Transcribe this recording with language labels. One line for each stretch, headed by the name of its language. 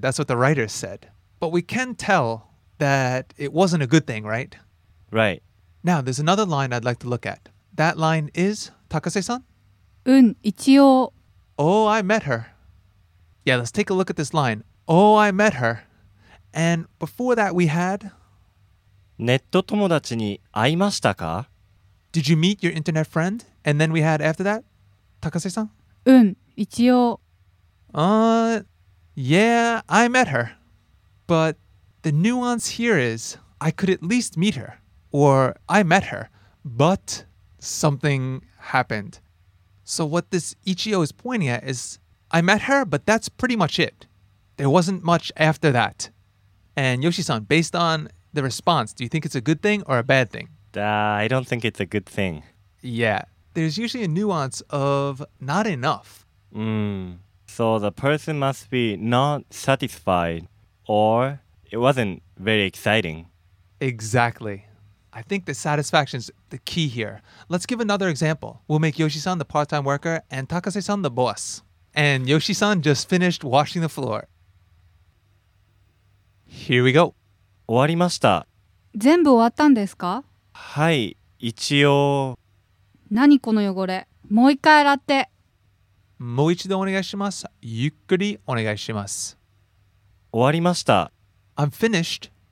English: That's what the writer said. But we can tell that it wasn't a good thing, right? Right. Now, there's another line I'd like to look at. That line is, Takase-san?
Japanese: うん、一応。
English: Oh, I met her. Yeah, let's take a look at this line. Oh, I met her. And before that we had...
Japanese: ネット友達に会いましたか?
English: Did you meet your internet friend? And then we had after that, Takase-san?
Japanese: うん、一応。
English: Yeah, I met her. But the nuance here is, I could at least meet her. Or, I met her. But something happened. So what this Ichio is pointing at is, I met her, but that's pretty much it. There wasn't much after that. And Yoshi-san, based on the response, do you think it's a good thing or a bad thing? I don't think it's a good thing. Yeah, there's usually a nuance of not enough. So the person must be not satisfied, or it wasn't very exciting. Exactly. I think the satisfaction's the key here. Let's give another example. We'll make Yoshi-san the part-time worker and Takase-san the boss. And Yoshi-san just finished washing the floor. Here we go.
Japanese: 終わりました。全部終わったんですか？はい、一応。何この汚れ？もう一回洗って。もう一度お願いします。ゆっくりお願いします。終わりました。
English: I'm finished.